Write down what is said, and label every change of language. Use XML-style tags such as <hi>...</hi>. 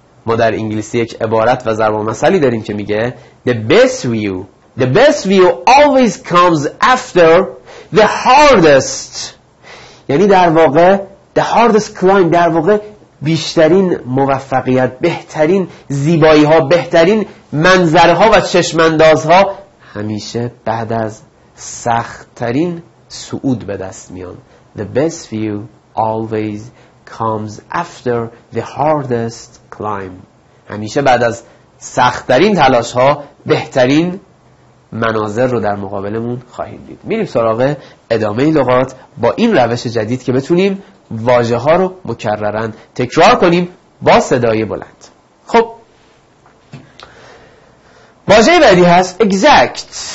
<fa>ما در انگلیسی یک عبارت و ضرب المثلی داریم که میگه</fa> <en>The best view always comes after the hardest.</en> <fa>یعنی در واقع</fa> <en>the hardest climb،</en> <fa>در واقع بیشترین موفقیت، بهترین زیبایی ها، بهترین منظره ها و چشمنداز ها همیشه بعد از سخت‌ترین صعود به دست میان.</fa> <en>The best view always comes after the hardest climb.</en> <fa>همیشه بعد از سخت‌ترین تلاش ها بهترین مناظر رو در مقابلمون خواهیم دید. میریم سراغ ادامه لغات با این روش جدید که بتونیم واژه ها رو مکررن تکرار کنیم با صدای بلند. خب واژه بعدی هست exact.</fa>